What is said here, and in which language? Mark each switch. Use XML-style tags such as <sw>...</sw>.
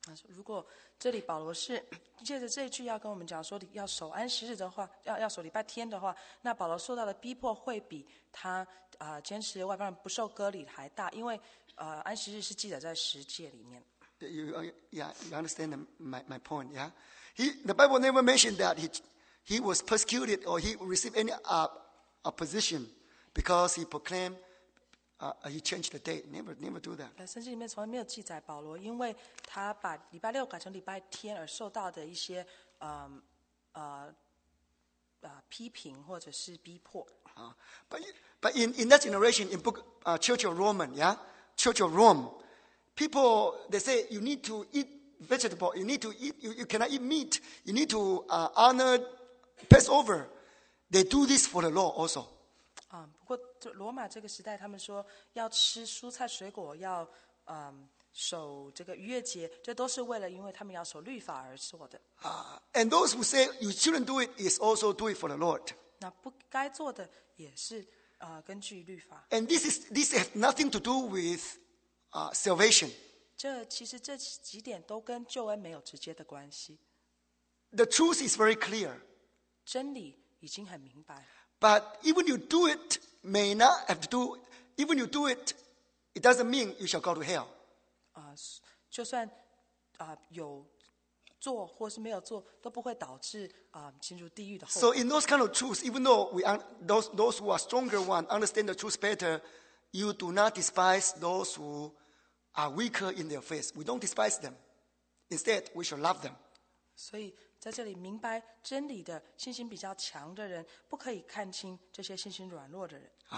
<zh>如果这里保罗是借着这一句要跟我们讲说要守安息日的话 要守礼拜天的话，那保罗受到的逼迫会比他坚持外邦人不受割礼还大，因为安息日是记载在十诫里面。</zh> <en>You understand my point, yeah? The Bible never mentioned that he was persecuted or he received any opposition because he proclaimed, he changed the day. Never do that.</en> <zh>圣经里面从来没有记载保罗因为他把礼拜六改成礼拜天而受到的一些批评或者是逼迫。</zh> <en>But in that generation, in book Church of Roman, yeah, Church of Rome. People, they say you need to eat vegetable. You need to eat. You cannot eat meat. You need to honor Passover. They do this for the law also.</en> <zh>不过罗马这个时代，他们说要吃蔬菜水果，要守这个逾越节，这都是为了因为他们要守律法而做的。</zh> <en>And those who say you shouldn't do it is also do it for the Lord.</en> <zh>那不该做的也是根据律法。</zh> <en>And this has nothing to do with. Salvation.</en> <zh>这其实这几点都跟救恩没有直接的关系。</zh> <en>The truth is very clear.</en> <zh>真理已经很明白。</zh> <en>But even you do it, may not have to do. Even you do it, it doesn't mean you shall go to hell.</en> <zh>就算有做或是没有做，都不会导致进入地狱的后果。</zh> <en>So in those kind of truths, even though those who are stronger one understand the truth better. You do not despise those who are weaker in their faith. We don't despise them. Instead, we should love them.</en> <zh>所以在这里明白真理的信心比较强的人，不可以看轻这些信心软弱的人。</zh>